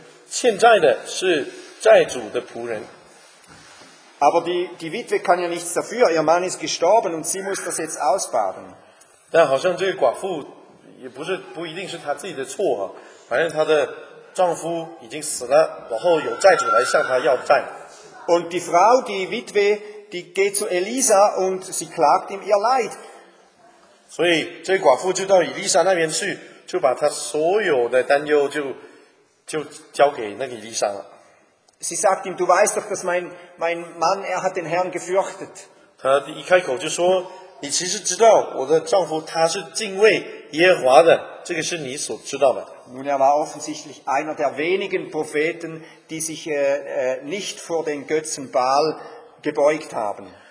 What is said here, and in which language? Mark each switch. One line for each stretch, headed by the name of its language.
Chinese: 上帝在箴言在圣经当中有告诉我们说，富户管辖穷人，欠债的是债主的仆人。
German: Aber die Witwe kann ja nichts dafür, ihr Mann ist gestorben und sie muss das jetzt ausbaden.
Chinese: 但好像这个寡妇也不是不一定是她自己的错啊，反正她的 丈夫已经死了，然后有债主来向他要债。
German: Und die Frau, die Witwe, die geht zu Elisa und sie klagt ihm ihr Leid.
Chinese: 所以这寡妇就到伊丽莎那边去，就把她所有的担忧就交给那个伊丽莎了。
German: Sie sagt ihm, du weißt doch, dass mein Mann, er hat den Herrn gefürchtet.
Chinese: 她一开口就说，你其实知道我的丈夫他是敬畏耶和华的。这个是你所知道的。
German: Nun, er war offensichtlich einer der wenigen Propheten, die sich nicht vor den Götzen Baal gebeugt haben.